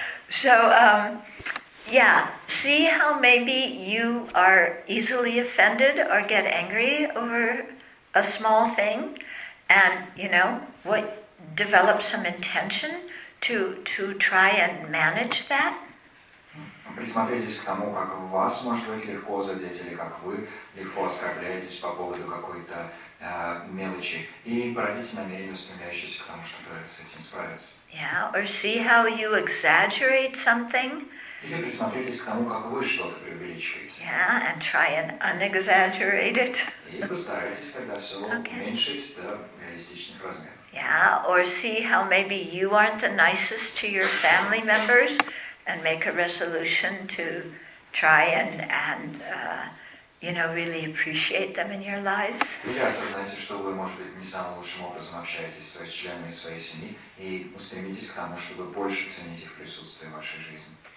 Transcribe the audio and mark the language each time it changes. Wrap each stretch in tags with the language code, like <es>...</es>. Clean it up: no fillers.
<en>So, yeah, see how maybe you are easily offended or get angry over a small thing and, you know, what develop some intention to try and manage that.</en> <ru>Присмотритесь к тому, как у вас может быть легко задеть или как вы легко оскорбляетесь по поводу какой-то мелочи и породите намерение, стремящееся к тому, чтобы с этим справиться.</ru> <en>Yeah, or see how you exaggerate something.</en> <ru>Или присмотритесь к тому, как вы что-то преувеличиваете.</ru> <en>Yeah, and try and un-exaggerate it.</en> <ru>И постарайтесь тогда все уменьшить до реалистичных размеров.</ru> <en>Yeah, or see how maybe you aren't the nicest to your family members and make a resolution to try and really appreciate them in your lives.</en> <ru>Или осознайте, что вы, может быть, не самым лучшим образом общаетесь с своими членами своей семьи и устремитесь к тому, чтобы больше ценить их присутствие в вашей жизни.</ru>